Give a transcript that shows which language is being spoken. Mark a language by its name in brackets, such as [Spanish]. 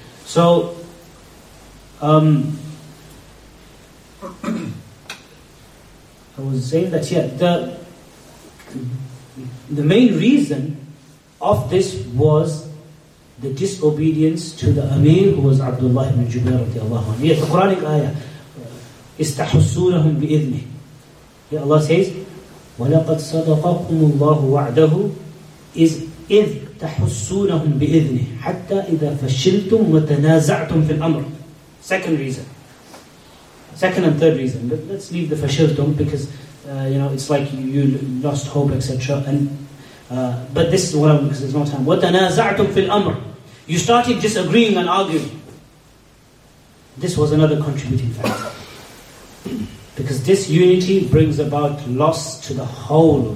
[English] So, I was saying that, yeah, the main reason of this was the disobedience to the Amir, who was Abdullah ibn Jubair radiallahu anhu. Yes, the Quranic ayah, [Arabic] إِسْتَحُسُّونَهُمْ بِإِذْنِهِ. [English] Yeah, Allah says, [Arabic] وَلَقَدْ صَدَقَكُمُ اللَّهُ وَعْدَهُ [English] is [Arabic] إِذْ تَحُسُّونَهُمْ بِإِذْنِهِ حَتَّى إِذَا فَشِلْتُمْ وَتَنَازَعْتُمْ فِي الْأَمْرِ. [English] Second reason. Second and third reason. But let's leave the فَشِلْتُمْ because, you know, it's like you lost hope, etc. And but this is what I'm, because there's no time. [Arabic] وَتَنَازَعْتُمْ فِي الْأَمْرِ. [English] You started disagreeing and arguing. This was another contributing factor. Because disunity brings about loss to the whole.